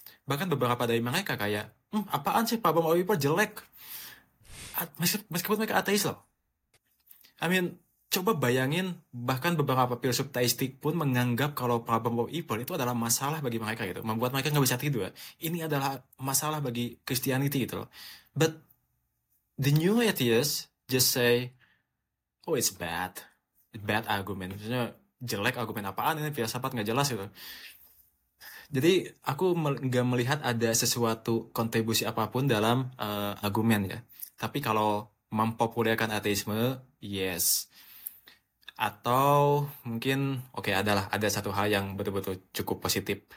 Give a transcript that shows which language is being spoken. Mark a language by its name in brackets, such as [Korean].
[Indonesian] Bahkan beberapa dari mereka kayak, apaan sih problem of evil jelek? Meskipun mereka ateis loh. [English] I mean, [Indonesian] coba bayangin, bahkan beberapa filsuf teistik pun menganggap kalau problem of evil itu adalah masalah bagi mereka gitu. Membuat mereka gak bisa tidur. Ini adalah masalah bagi Christianity gitu loh. [English] But the new atheist just say, oh, it's bad. Bad argument. [Indonesian] Maksudnya, jelek argumen apaan ini, filsafat nggak jelas gitu. Jadi, aku nggak melihat ada sesuatu kontribusi apapun dalam argumen ya. Tapi kalau mempopulerkan ateisme, [English] yes. [Indonesian] Atau mungkin, okay, adalah ada satu hal yang betul-betul cukup positif.